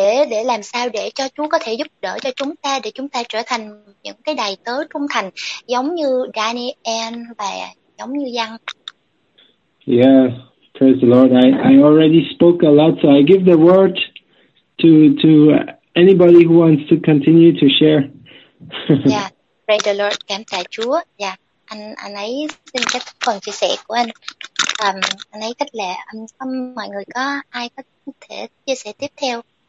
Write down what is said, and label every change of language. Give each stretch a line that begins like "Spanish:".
Vietnamese: Để làm sao để cho Chúa có thể giúp đỡ cho chúng ta để chúng ta trở thành những cái đầy tớ trung thành giống như Daniel và giống như Giăng.
English: Yeah. Praise the Lord. I already spoke a lot, so I give the word to anybody who wants to continue to share. Yeah. Praise the Lord.
Vietnamese: Cảm tạ Chúa.
English: Yeah.
Vietnamese: Anh ấy xin kết thúc phần chia sẻ của anh. Anh ấy cách lệ, anh xin mọi người có ai có thể chia sẻ tiếp theo.